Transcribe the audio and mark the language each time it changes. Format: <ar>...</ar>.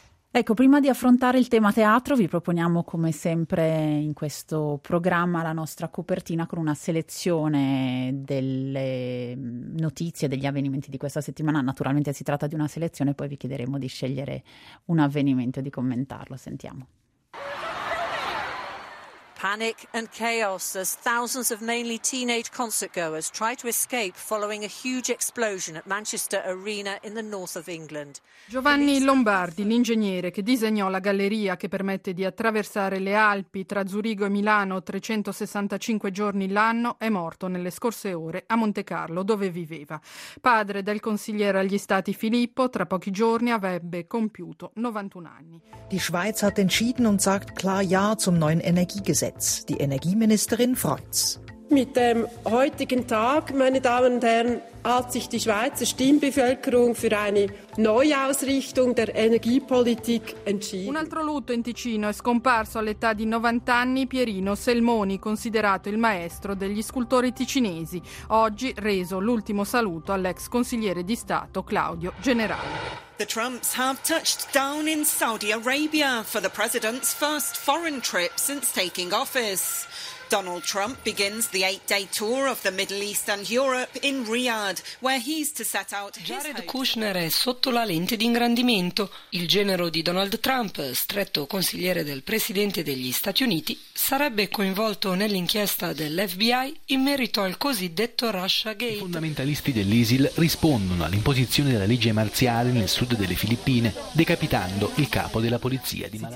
<it>Ecco, prima di affrontare il tema teatro, vi proponiamo come sempre in questo programma la nostra copertina con una selezione delle notizie, degli avvenimenti di questa settimana. Naturalmente si tratta di una selezione, poi vi chiederemo di scegliere un avvenimento e di commentarlo. Sentiamo.</it> <en>Panic and chaos as thousands of mainly teenage concertgoers try to escape following a huge explosion at Manchester Arena in the north of England.</en> <it>Giovanni Lombardi, l'ingegnere che disegnò la galleria che permette di attraversare le Alpi tra Zurigo e Milano 365 giorni l'anno, è morto nelle scorse ore a Monte Carlo, dove viveva. Padre del consigliere agli Stati Filippo, tra pochi giorni avrebbe compiuto 91 anni.</it> <de>Die Schweiz hat entschieden und sagt klar ja zum neuen Energiegesetz. Die Energieministerin freut's. Mit dem heutigen Tag, meine Damen und Herren, hat sich die Schweizer Stimmbevölkerung für eine Neuausrichtung der Energiepolitik entschieden.</de> <it>Un altro lutto in Ticino, è scomparso all'età di 90 anni Pierino Selmoni, considerato il maestro degli scultori ticinesi. Oggi reso l'ultimo saluto all'ex consigliere di Stato Claudio Generale.</it> <en>The Trumps have touched down in Saudi Arabia for the president's first foreign trip since taking office. Donald Trump begins the 8-day tour of the Middle East and Europe in Riyadh, where he's to set out his</en> <it>Jared Kushner è sotto la lente di ingrandimento. Il genero di Donald Trump, stretto consigliere del presidente degli Stati Uniti, sarebbe coinvolto nell'inchiesta dell'FBI in merito al cosiddetto Russia Gate. I fondamentalisti dell'ISIL rispondono all'imposizione della legge marziale nel sud delle Filippine, decapitando il capo della polizia di Manila.</it>